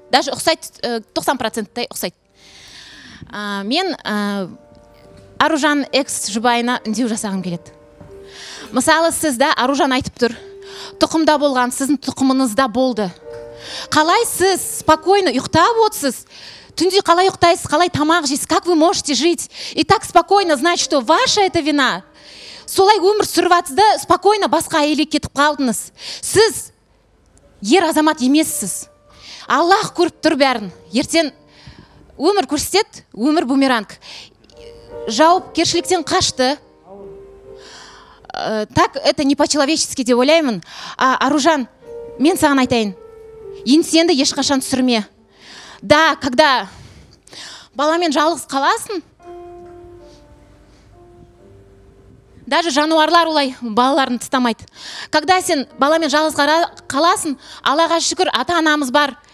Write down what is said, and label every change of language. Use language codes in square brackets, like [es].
[kk] Даже ұқсайды, 90%-тай ұқсайды. Мен Аружан экс жұбайына үндеу жасағым келеді. Мысалы, сізді Аружан айтып тұр. Тұқымда болған, сіздің тұқымыңызда болды. Қалай сіз [ru] спокойно [kk] ұйықтап отырсыз? Түнде қалай ұйықтайсыз? Қалай тамақ жейсіз? [ru] Как вы можете жить? И так спокойно, значит, что ваша это вина. [kk] Солай өмір сүрватсыз да, [ru] спокойно [kk] басқа әйелге кетіп қалдыңыз. Сіз ер азамат емессіз. Аллах көріп тұр бәрін. Ертен өмір көрсетет, өмір бумеранг. Жауап кершіліктен қашты. [ru] Так, это не по-человечески [kk] деп ойлаймын. Аружан, мен саған айтайын. Инсенді ешқашан түсірме. [ru] Да, когда [kk] баламен жалғыз қаласың, даже жануарлар олай балаларын тастамайды. [ru] Когда [kk] сен баламен жалғыз қаласың, Аллаға шүкір ата-анамыз бар.